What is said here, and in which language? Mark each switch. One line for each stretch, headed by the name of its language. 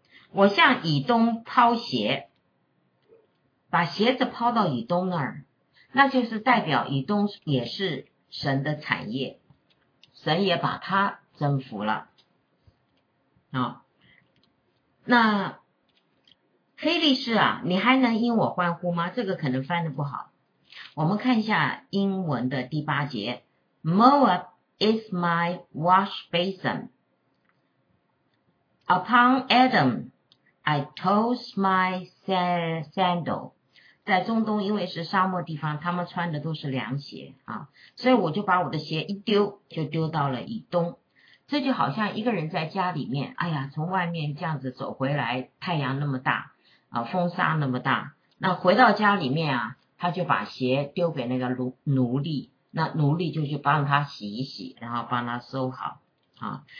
Chinese: 我向以东抛鞋，把鞋子抛到以东那儿，那就是代表以东也是神的产业，神也把他征服了啊。那菲利士啊，你还能因我欢呼吗？这个可能翻得不好。我们看一下英文的第八节，
English: Moab is my wash basin, upon Edom I toss my sandal.
Chinese: 在中东因为是沙漠地方，他们穿的都是凉鞋啊，所以我就把我的鞋一丢，就丢到了以东。这就好像一个人在家里面，哎呀，从外面这样子走回来，太阳那么大啊，风沙那么大，那回到家里面啊，他就把鞋丢给那个奴隶，那奴隶就去帮他洗一洗，然后帮他收好啊。